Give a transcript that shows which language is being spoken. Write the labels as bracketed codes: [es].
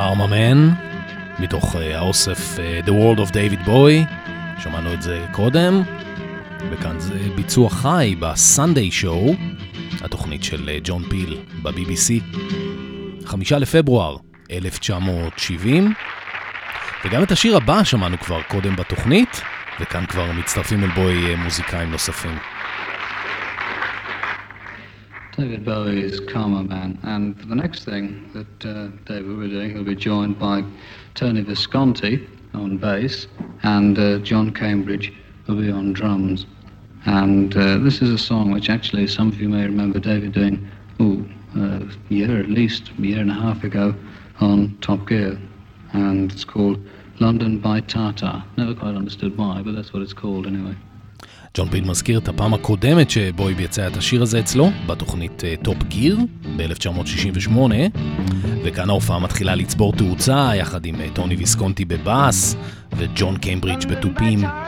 [he] Man, מתוך האוסף The World of David Bowie, שמענו את זה קודם, וכאן זה ביצוע חי בסנדיי שואו, התוכנית של ג'ון פיל בבי-בי-סי, 5 לפברואר 1970. וגם את השיר הבא שמענו כבר קודם בתוכנית, וכאן כבר מצטרפים אל בוי מוזיקאים נוספים. [en] David Bowie is Karma Man, and for the next thing that David will be doing, he'll be joined by Tony Visconti on bass, and John Cambridge will be on drums. And this is a song which actually some of you may remember David doing a year and a half ago on Top Gear, and it's called London by Tata. Never quite understood why, but that's what it's called anyway. [he] ג'ון פיל מזכיר את הפעם הקודמת שבוי ביצע את השיר הזה אצלו, בתוכנית טופ גיר, ב-1968. וכאן ההופעה מתחילה לצבור תאוצה, יחד עם טוני ויסקונטי בבאס, וג'ון קיימברידג' בתופים.